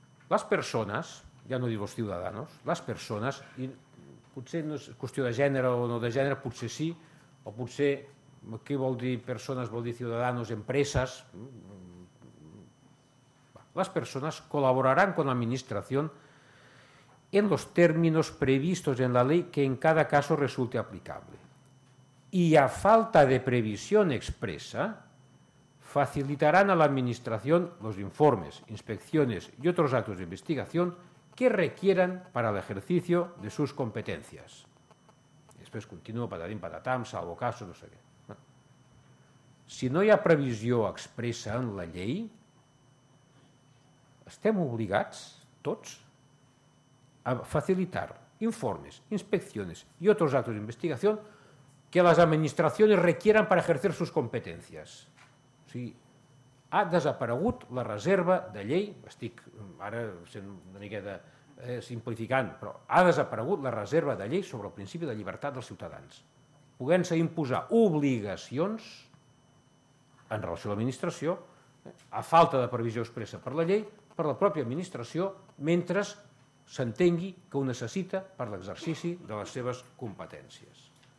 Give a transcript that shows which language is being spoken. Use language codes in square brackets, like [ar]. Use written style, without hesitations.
[ca] Les persones, ja no diu els ciutadans, les persones, i potser no és qüestió de gènere o no de gènere, potser sí, o potser, què vol dir persones, vol dir ciutadans, empreses, les persones col·laboraran [es] con la administració en los términos previstos en la ley que en cada caso resulte aplicable. Y a falta de previsión expresa, facilitarán a la administración los informes, inspecciones y otros actos de investigación que requieran para el ejercicio de sus competencias. Después continúo, patatín, patatam, salvo caso, no sé qué. [ca] Si no hi ha previsió expressa en la llei, estem obligats, tots, a facilitar informes, [es] inspecciones y otros actos de investigación que las administraciones requieran para ejercer sus competencias. [ca] O sigui, ha desaparegut la reserva de llei, estic ara sent una miqueta simplificant, però ha desaparegut la reserva de llei sobre el principi de llibertat dels ciutadans, poguent-se imposar obligacions en relació a l'administració, a falta de previsió expressa per la llei, per la pròpia administració, mentre s'entengui que ho necessita per l'exercici de les seves competències.